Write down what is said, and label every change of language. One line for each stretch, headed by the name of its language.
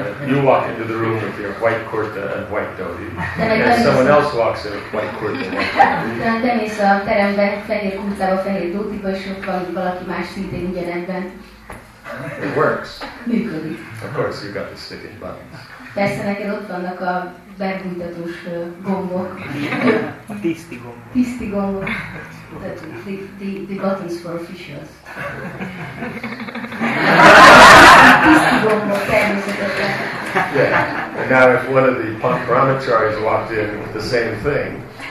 English: You walk into the room with your white kurta and white dhoti, and then someone else walks in with white kurta and white dhoti. It works.
Hungarian: Működik.
English: Of course, you've got the sticky buttons.
Hungarian: Persze, neked ott vannak a bebújtatós gombok. A tiszti gombok. Tiszti gombok.
English: The buttons for officials.
Hungarian: Tiszti gombok, természetesen.
English: Yeah, and now if one of the punk brahmacharis walked in with the same thing.